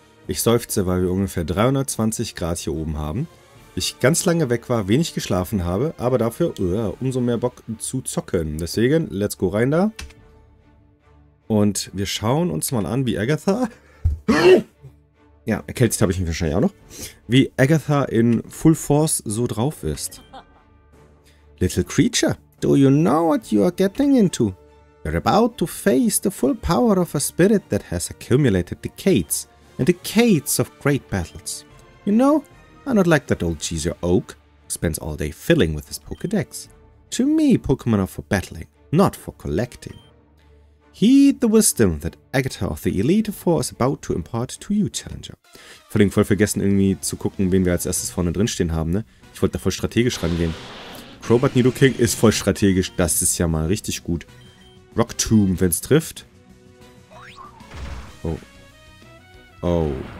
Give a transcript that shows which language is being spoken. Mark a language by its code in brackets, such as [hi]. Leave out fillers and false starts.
[de] Ich seufze, weil wir ungefähr 320 Grad hier oben haben, ich ganz lange weg war, wenig geschlafen habe, aber dafür umso mehr Bock zu zocken. Deswegen, let's go rein da. Und wir schauen uns mal an, wie Agatha... Ja, erkältet habe ich mich wahrscheinlich auch noch. Wie Agatha in Full Force so drauf ist. [en] Little creature, do you know what you are getting into? You're about to face the full power of a spirit that has accumulated decades and decades of great battles. You know, I'm not like that old cheesier oak who spends all day fiddling with his Pokédex. To me, Pokémon are for battling, not for collecting. Heed the wisdom that Agatha of the Elite Four is about to impart to you, Challenger. [de] Völlig voll vergessen, irgendwie zu gucken, wen wir als erstes vorne drin stehen haben, ne? Ich wollte da voll strategisch rangehen. Crobat Nidoking ist voll strategisch, das ist ja mal richtig gut. Rocktomb, wenn es trifft. Oh. Oh.